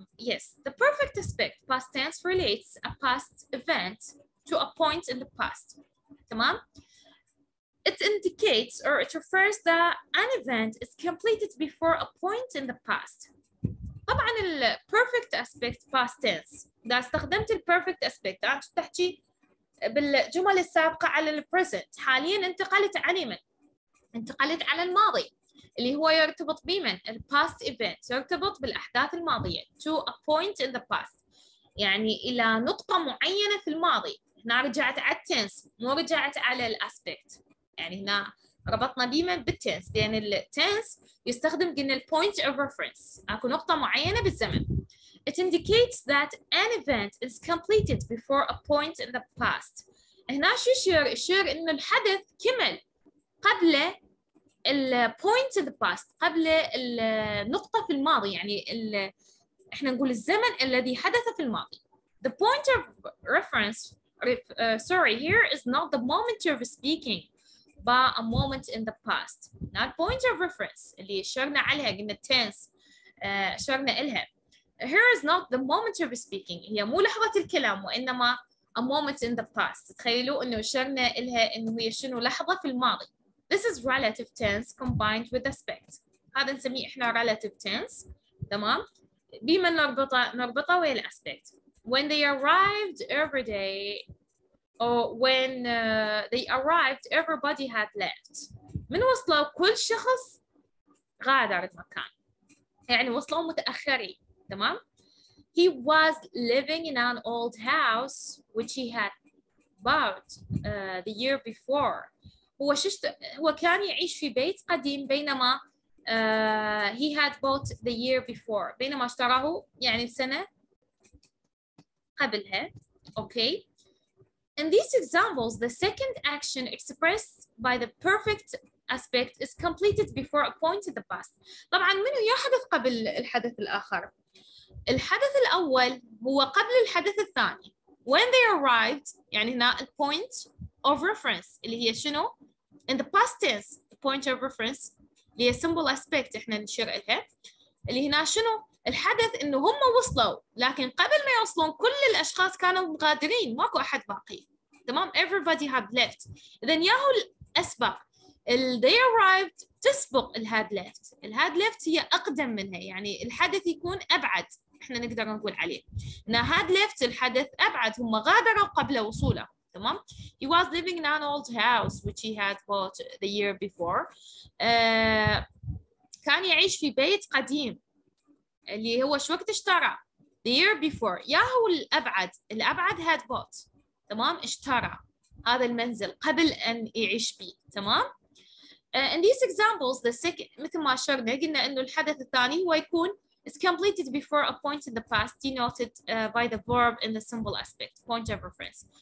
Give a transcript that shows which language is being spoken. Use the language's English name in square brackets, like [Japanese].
[English] Yes, the perfect aspect past tense relates a past event to a point in the past. [Arabic] تمام؟ [English] It indicates or it refers that an event is completed before a point in the past. [Arabic] طبعاً [English] ال perfect aspect past tense. [Arabic] إذا استخدمت ال perfect aspect, أنت تحكي بالجمل السابقة على ال present. حالياً انتقلت على من؟ انتقلت على الماضي اللي هو يرتبط بمن؟ ال past event يرتبط بالأحداث الماضية [English] to a point in the past. [Arabic] يعني إلى نقطة معينة في الماضي. هنا رجعت على التنس مو رجعت على الاسبكت. يعني هنا ربطنا بيما بالتنس لان التنس يستخدم قلنا البوينت اوف ريفرنس اكو نقطه معينه بالزمن. [English] It indicates that an event is completed before a point in the past. [Arabic] هنا شو يشير؟ يشير انه الحدث كمل قبل البوينت اوف ذا باست, قبل النقطه في الماضي. يعني احنا نقول الزمن الذي حدث في الماضي. [English] The point of reference here is not the moment you're speaking, but a moment in the past. Not point of reference. [Arabic] اللي شرنا عليها قلنا tense. شرنا إلها. [English] Here is not the moment you're speaking. [Arabic] هي مو لحظة الكلام وإنما [English] a moment in the past. [Arabic] تخيلوا إنه شرنا إلها إنه هي شنو لحظة في الماضي. [English] This is relative tense combined with aspect. [Arabic] هذا نسميه إحنا relative tense. تمام؟ بما نربطها ويا الأسبكت. [English] When they arrived every day, or when they arrived, everybody had left. [Arabic] من وصلوا كل شخص غادر المكان. يعني وصلوا متأخرين. [English] تمام؟ He was living in an old house which he had bought the year before. [Arabic] هو كان يعيش في بيت قديم بينما [English] he had bought the year before. [Arabic] بينما اشتراه يعني سنة قبلها. [English] Okay. In these examples, the second action expressed by the perfect aspect is completed before a point in the past. [Arabic] طبعا منو يحدث قبل الحدث الآخر؟ الحدث الأول هو قبل الحدث الثاني. [English] When they arrived, [Arabic] يعني هنا the point of reference اللي هي شنو؟ [English] In the past tense, the point of reference [Arabic] اللي هي symbol aspect احنا نشير إلها اللي هنا شنو؟ الحدث انه هم وصلوا, لكن قبل ما يوصلون كل الاشخاص كانوا مغادرين, ماكو احد باقي. [English] تمام؟ Everybody had left. [Arabic] اذا ياهو الاسبق. [English] They arrived [Arabic] تسبق ال [English] had left. [Arabic] ال [English] had left [Arabic] هي اقدم منها, يعني الحدث يكون ابعد, احنا نقدر نقول عليه. ان had left الحدث ابعد, هم غادروا قبل وصوله. تمام. [English] He was living in an old house which he had bought the year before. [Arabic] كان يعيش في بيت قديم اللي هو شو وقت اشترى. [English] The year before. [Arabic] يا هو الأبعد. الأبعد had bought. تمام. اشترى هذا المنزل قبل أن يعيش فيه. تمام. [English] In these examples, the second, [Arabic] مثل ما أشرنا قلنا إنه الحدث الثاني هو يكون [English] is completed before a point in the past denoted by the verb in the simple aspect, point of reference.